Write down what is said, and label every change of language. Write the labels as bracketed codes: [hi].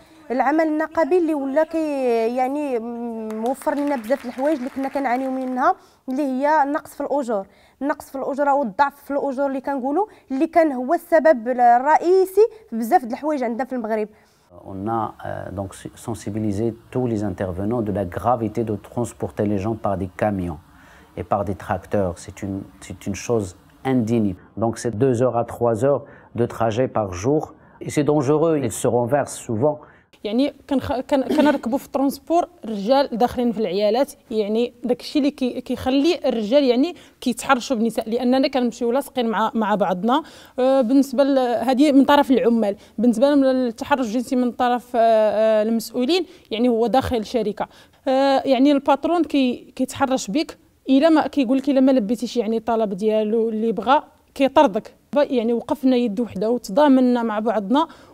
[ar] العمل النقابي اللي ولا يعني موفر لنا بزاف الحوايج اللي كنا كنعانيو منها اللي هي النقص في الاجور والضعف في الاجور اللي كنقولوا اللي كان هو السبب الرئيسي في بزاف د الحوايج عندنا في المغرب [fr] on a donc sensibilisé tous les intervenants de la gravité de transporter les gens par des camions et par des tracteurs c'est une chose indigne donc c'est 2 heures à 3 heures de trajet par jour et c'est dangereux ils se renversent souvent [ar] يعني كنركبوا في الترونسبور رجال داخلين في العيالات يعني داك الشيء اللي كيخلي الرجال يعني كيتحرشوا بالنساء لاننا كنمشيو لاصقين مع بعضنا بالنسبه هذه من طرف العمال بالنسبه لهم التحرش الجنسي من طرف المسؤولين يعني هو داخل الشركه يعني الباترون كيتحرش بك الا ما كيقول لك الا ما لبيتيش يعني طلب ديالو اللي بغى كيطردك يعني وقفنا يد وحده وتضامنا مع بعضنا